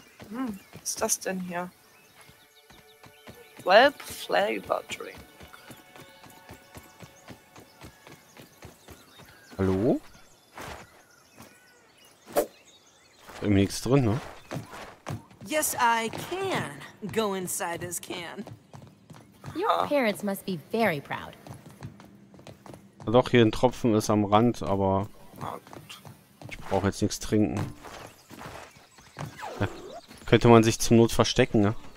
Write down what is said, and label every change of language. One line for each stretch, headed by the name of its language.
German: Was ist das denn hier? Welp Flavor Drink. Hallo? Irgendwie nichts drin, ne?
English: Yes, I can go inside this can. Your parents must be very proud.
German: Doch, hier ein Tropfen ist am Rand, aber ich brauche jetzt nichts trinken. Ja, könnte man sich zur Not verstecken, ne?